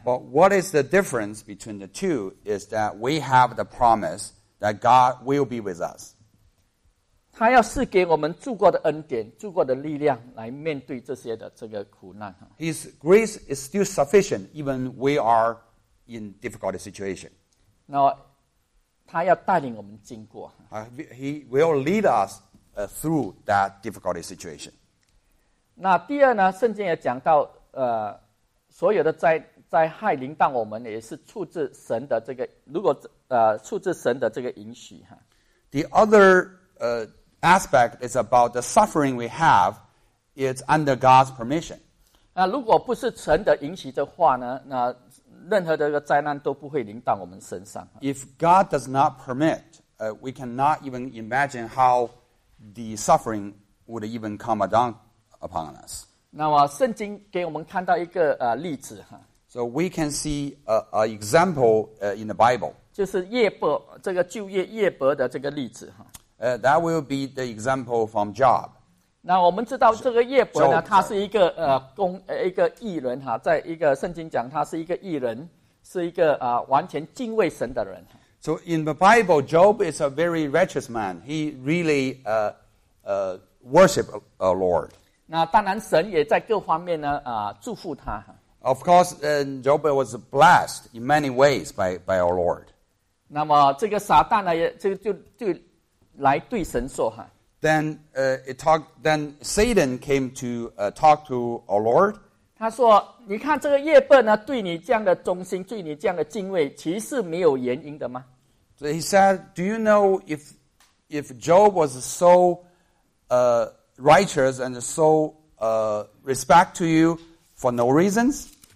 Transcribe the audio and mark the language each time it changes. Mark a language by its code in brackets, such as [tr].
[en] But what is the difference between the two is that we have the promise that God will be with us. [zh] 他要赐给我们住过的恩典，住过的力量来面对这些的这个苦难。 [en] His grace is still sufficient even we are in difficult situation. [zh] 那他要带领我们经过。 [en] He will lead us through that difficult situation. [zh] 那第二呢，圣经也讲到所有的灾害临到我们，也是出自神的这个，如果出自神的这个允许。 [en] The other aspect is about the suffering we have. It's under God's permission. [zh] 如果不是神的允许的话呢，那任何的一个灾难都不会临到我们身上。 [en] If God does not permit, we cannot even imagine how the suffering would even come down upon us. [zh] 那么圣经给我们看到一个例子。 [en] So we can see an example in the Bible. [zh] 就是约伯，这个旧约约伯的这个例子。 [en] That will be the example from Job. [zh] 那我们知道这个约伯呢，他是一个一个义人，在一个圣经讲他是一个义人，是一个完全敬畏神的人。 [en] So in the Bible, Job is a very righteous man. He really worship a Lord. [zh] 那当然，神也在各方面呢祝福他。 [en] Of course, Job was blessed in many ways by our Lord. [zh] 那么这个撒旦呢，这个就来对神说哈。 [en] Then Then Satan came to talk to our Lord. [zh] 他说：“你看这个叶伯呢，对你这样的忠心，对你这样的敬畏，其实没有原因的吗？” [en] So he said, "Do you know if Job was so righteous and so respect to you for no reasons?"